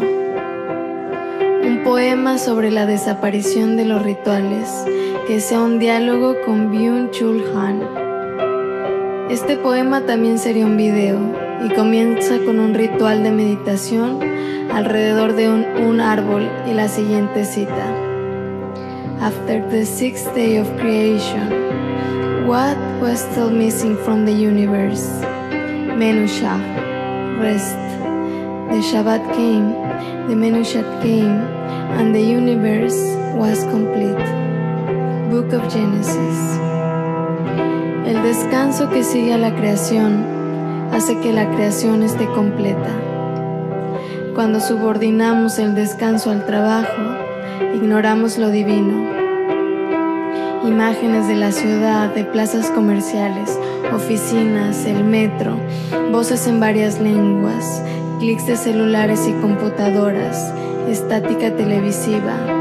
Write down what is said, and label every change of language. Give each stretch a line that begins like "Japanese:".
Spanish: Un poema sobre la desaparición de los rituales, que sea un diálogo con Byung Chul Han. Este poema también sería un video y comienza con un ritual de meditación alrededor de un árbol y la siguiente cita.
English: After the sixth day of creation, what was still missing from the universe? Menusha, rest. The Shabbat came, the Menushat came, and the universe was complete. Book of Genesis.
Spanish: El descanso que sigue a la creación hace que la creación esté completa. Cuando subordinamos el descanso al trabajo, ignoramos lo divino. Imágenes de la ciudad, de plazas comerciales, oficinas, el metro, voces en varias lenguas, clics de celulares y computadoras, estática televisiva.